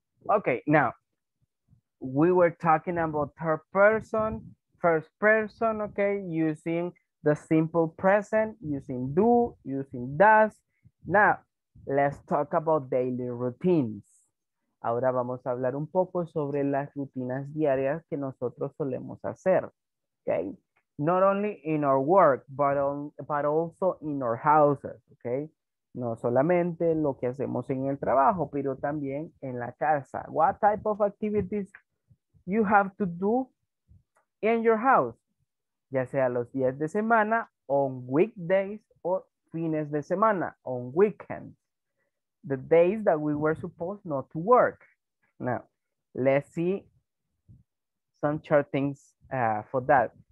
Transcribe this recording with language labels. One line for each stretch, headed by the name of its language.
English: Okay, now, we were talking about third person, first person, okay, using the simple present, using do, using does. Now, let's talk about daily routines.
Spanish: Ahora vamos a hablar un poco sobre las rutinas diarias que nosotros solemos hacer, okay?
English: Not only in our work, but also in our houses, okay?
Spanish: No solamente lo que hacemos en el trabajo, pero también en la casa.
English: What type of activities you have to do in your house?
Spanish: Ya sea los días de semana,
English: on weekdays,
Spanish: o fines de semana,
English: on weekends. The days that we were supposed not to work. Now, let's see some short things for that.